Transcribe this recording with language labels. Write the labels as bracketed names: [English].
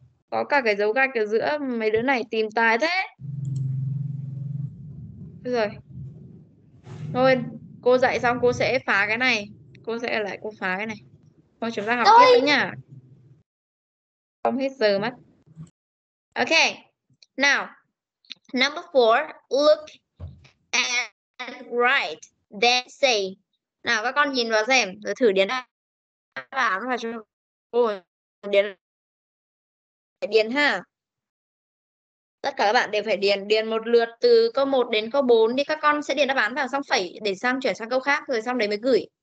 [Vietnamese] Có cả cái dấu gạch ở giữa, mấy đứa này tìm tài thế. Rồi. Thôi, cô dạy xong cô sẽ phá cái này. Cô sẽ ở lại cô phá cái này. Thôi chúng ta học tiếp nữa nha. Không hết giờ mất. Ok. [English] Now, number four, look and write, then say. [Vietnamese] Nào các con nhìn vào xem, rồi thử điền đáp án vào cho cô. Điền ha. Tất cả các bạn đều phải điền một lượt từ câu 1 đến câu 4 đi. Các con sẽ điền đáp án vào xong phẩy để sang chuyển sang câu khác, rồi xong đấy mới gửi.